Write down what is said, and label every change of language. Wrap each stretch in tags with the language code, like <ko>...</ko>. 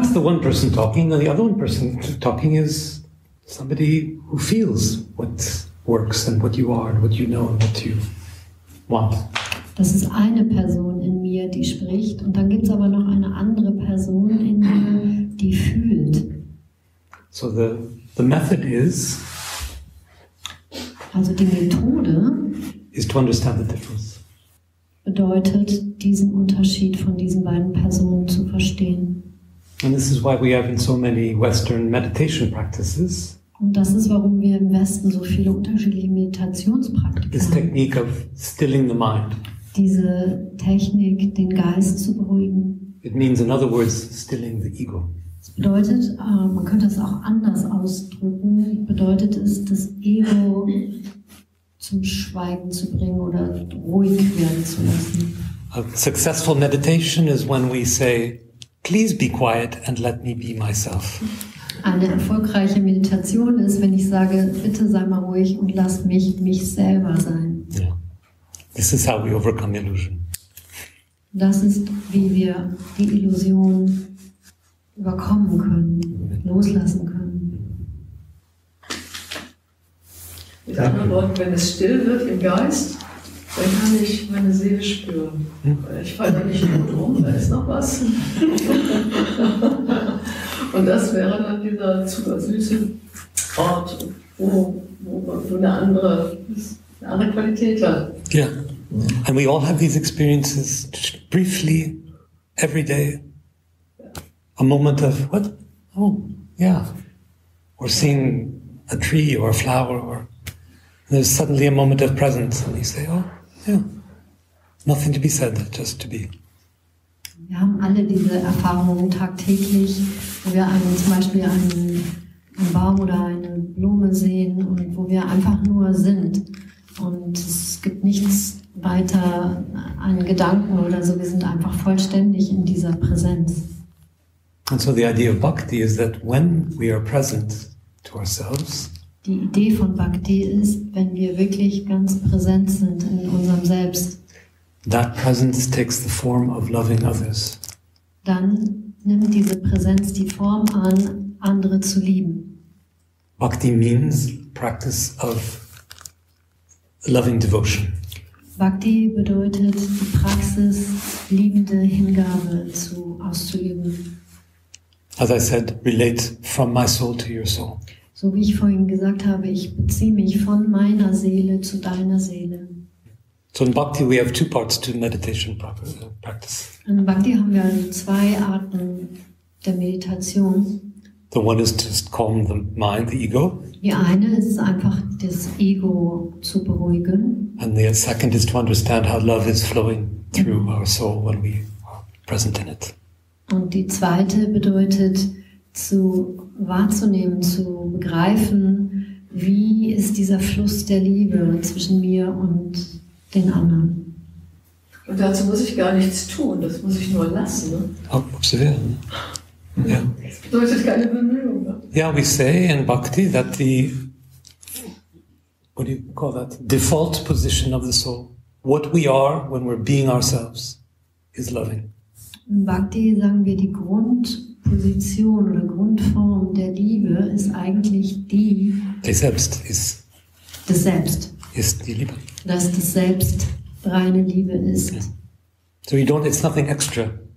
<en>That's the one person talking, and the other one person talking is somebody who feels what works and what you are and what you know and what you want.</en> <de>Das ist eine Person in mir, die spricht, und dann gibt's aber noch eine andere Person in mir, die fühlt.</de> <en>So the method is.</en> <de>Also die Methode.</de> <en>Is to understand the difference.</en> <de>Bedeutet, diesen Unterschied von diesen beiden Personen zu verstehen.</de> <en>And this is why we have in so many Western meditation practices.</en> <de>Und das ist, warum wir im Westen so viele unterschiedliche Meditationspraktiken haben.</de> <en>This technique of stilling the mind.</en> <de>Diese Technik, den Geist zu beruhigen.</de> <en>It means, in other words, stilling the ego.</en> <de>Das bedeutet, man könnte es auch anders ausdrücken, bedeutet es, das Ego zum Schweigen zu bringen oder ruhig werden zu lassen.</de> <en>A successful meditation is when we say, please be quiet and let me be myself.</en> <de>Eine erfolgreiche Meditation ist, wenn ich sage, bitte sei mal ruhig und lass mich selber sein.</de> <en>This is how we overcome illusion.</en> <de>Das ist, wie wir die Illusion überkommen können, loslassen können. Mit anderen Worten, wenn es still wird im Geist, dann kann ich meine Seele spüren. Ich falle nicht nur drum, da ist noch was. Und das wäre dann dieser zuckersüße Ort, wo eine andere Qualität hat. Ja. Yeah.</de> <en>And we all have these experiences briefly, every day. A moment of, what? Oh, yeah. Or seeing a tree or a flower. And there's suddenly a moment of presence. And you say, oh, yeah. Nothing to be said, just to be.</en> <de>Wir haben alle diese Erfahrungen tagtäglich, wo wir zum Beispiel einen Baum oder eine Blume sehen und wo wir einfach nur sind. Und es gibt nichts weiter an Gedanken oder so, wir sind einfach vollständig in dieser Präsenz.</de> <en>And so the idea of Bhakti is that when we are present to ourselves,</en> <de>die Idee von Bhakti ist, wenn wir wirklich ganz präsent sind in unserem Selbst,</de> <en>that presence takes the form of loving others.</en> <de>Dann nimmt diese Präsenz die Form an, andere zu lieben.</de> <en>Bhakti means practice of loving devotion.</en> <de>Bhakti bedeutet die Praxis, liebende Hingabe auszuüben.</de> <en>As I said, relate from my soul to your soul.</en> <de>So wie ich vorhin gesagt habe, ich beziehe mich von meiner Seele zu deiner Seele.</de> <en>So in Bhakti we have two parts to meditation practice.</en> <de>In Bhakti haben wir also zwei Arten der Meditation.</de> <en>The one is to calm the mind, the ego.</en> <de>Die eine ist einfach das Ego zu beruhigen.</de> <en>And the second is to understand how love is flowing through our soul when we are present in it.</en> <de>Und die zweite bedeutet zu wahrzunehmen, zu begreifen, wie ist dieser Fluss der Liebe zwischen mir und den anderen. Und dazu muss ich gar nichts tun, das muss ich nur lassen. Observieren. Yeah.</de> <en>Yeah, we say in Bhakti that the, what do you call that, default position of the soul, what we are when we're being ourselves, is loving.</en> <de>In Bhakti sagen wir, die Grundposition oder Grundform der Liebe ist eigentlich die... Die Selbst ist... Das Selbst. Ist die Liebe. Dass das Selbst reine Liebe ist.</de> <en>So you don't, it's nothing extra.</en>